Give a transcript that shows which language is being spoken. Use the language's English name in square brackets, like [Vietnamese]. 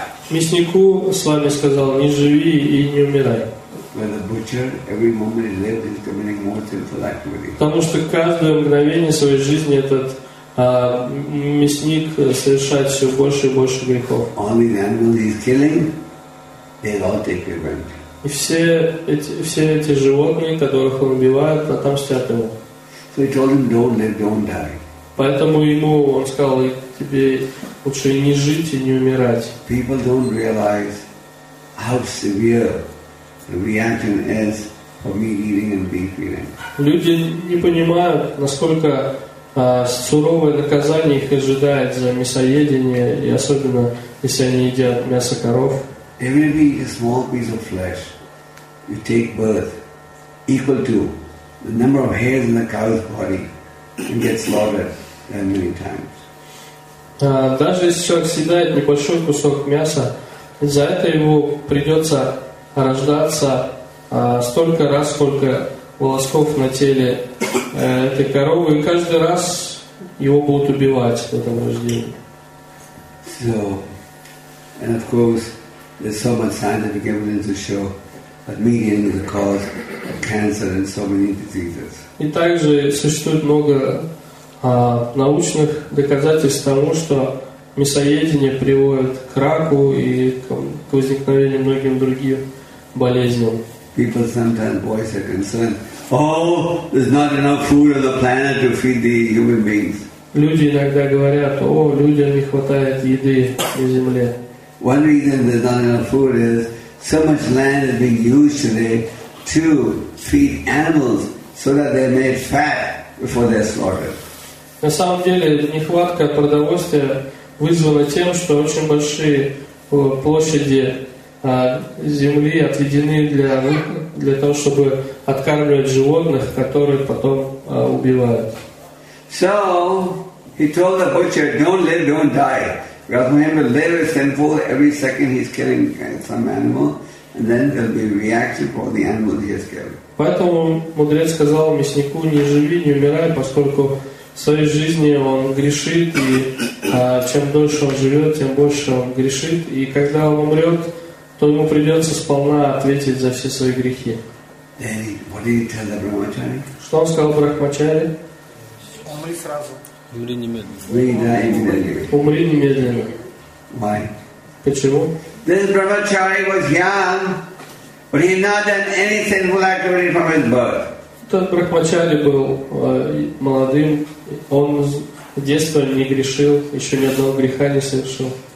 [Russian] Мяснику с вами сказал, не живи и не умирай. [English] Well, the butcher, every moment he lived, is committing more sinful activity. [Russian] Потому что каждое мгновение своей жизни этот мясник совершает все больше и больше грехов. [English] All the animals he's killing, they all take revenge. [Russian] И все эти животные, которых он убивает, отомстят ему. [English] So he told him, don't live, don't die. [Russian] Поэтому ему он сказал, тебе лучше и не жить, и не умирать. [English] People don't realize how severe the reaction is for meat eating and beef eating. [Russian] Люди не понимают, насколько суровое наказание их ожидает за мясоедение, и особенно если они едят мясо коров. [English] Every meat is a small piece of flesh. You take birth equal to the number of hairs in a cow's body and get slaughtered that many times. [Russian] Даже если человек съедает небольшой кусок мяса, за это ему придется рождаться столько раз, сколько волосков на теле этой коровы, и каждый раз его будут убивать в этом рождении. [English] So, and of course, there's so much scientific evidence to show that meat eating is the cause of cancer and so many diseases. [Russian] И также существует много научных доказательств тому, что мясоедение приводит к раку и к возникновению многим другим болезням. [English] People sometimes voice their concern. Oh, there's not enough food on the planet to feed the human beings. [Russian] Люди иногда говорят, о, людям не хватает еды на Земле. [English] One reason there's not enough food is so much land is being used today to feed animals so that they're made fat before they're slaughtered. [Russian] На самом деле нехватка продовольствия вызвана тем, что очень большие площади земли отведены для того, чтобы откармливать животных, которых потом убивают. [English] So he told the butcher, don't live, don't die. Because for him to live is sinful, every second he's killing some animal, and then there'll be a reaction for the animal he has killed. [Russian] Поэтому мудрец сказал мяснику, не живи, не умирай, поскольку в своей жизни он грешит, и чем дольше он живет, тем больше он грешит. И когда он умрет, то ему придется сполна ответить за все свои грехи. Что он сказал Брахмачари? Умри сразу. Умри немедленно. Умри немедленно. [English] Why? [Russian] Почему? [English] This Brahmachari was young, but he had not done any sinful activity from his birth. [Russian] Этот Брахмачари был молодым, он с детства не грешил, еще ни одного греха не совершил.